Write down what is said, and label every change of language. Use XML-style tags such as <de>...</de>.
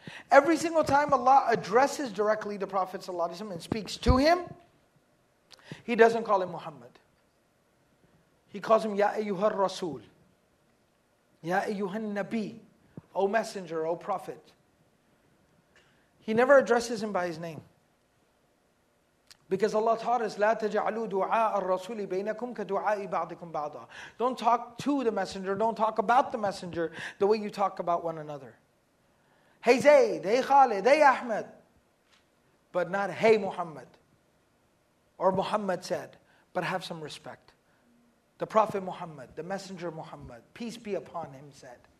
<en>Every single time Allah addresses directly the Prophet ﷺ and speaks to him, He doesn't call him Muhammad. He calls him</en> <ar>Ya Ayyuhar Rasul. Ya Ayyuhan Nabi.</ar> <en>O Messenger, O Prophet. He never addresses him by his name. Because Allah taught us,</en> <ar>لَا تَجَعْلُوا دُعَاءَ الرَّسُولِ بَيْنَكُمْ كَدُعَاءِ بَعْضِكُمْ بَعْضًا.</ar> <en>Don't talk to the messenger, don't talk about the messenger the way you talk about one another. Hey Zayd, hey Khalid, hey Ahmed. But not, hey Muhammad. Or Muhammad said, but have some respect. The Prophet Muhammad, the Messenger Muhammad, peace be upon him said.</en>